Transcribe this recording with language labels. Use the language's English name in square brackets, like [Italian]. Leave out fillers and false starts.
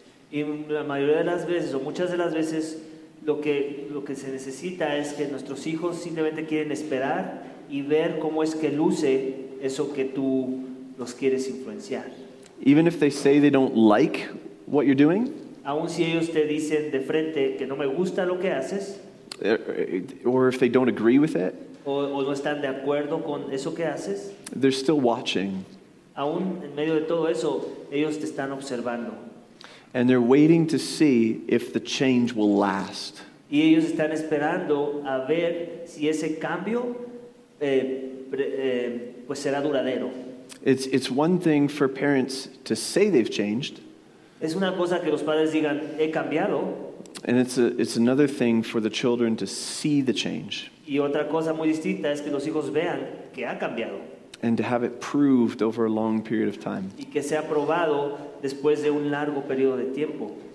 [Spanish] Y la mayoría de las veces, o muchas de las veces, lo que se necesita es que nuestros hijos simplemente quieren esperar y ver cómo es que luce eso que tú los quieres influenciar. [English] Even if they say they don't like what you're doing, [Spanish] aun si ellos te dicen de frente que no me gusta lo que haces, [English] or if they don't agree with it, [Spanish] o no están de acuerdo con eso que haces, [English] they're still watching. [Spanish] Aun en medio de todo eso, ellos te están observando. [English] And they're waiting to see if the change will last. [Spanish] Y ellos están esperando a ver si ese cambio pues será duradero. [English] It's one thing for parents to say they've changed. [Spanish] Es una cosa que los padres digan, he cambiado. [English] And it's another thing for the children to see the change. [Spanish] Y otra cosa muy distinta es que los hijos vean que ha cambiado. [English] And to have it proved over a long period of time. [Spanish] Y que sea probado después de un largo periodo de tiempo.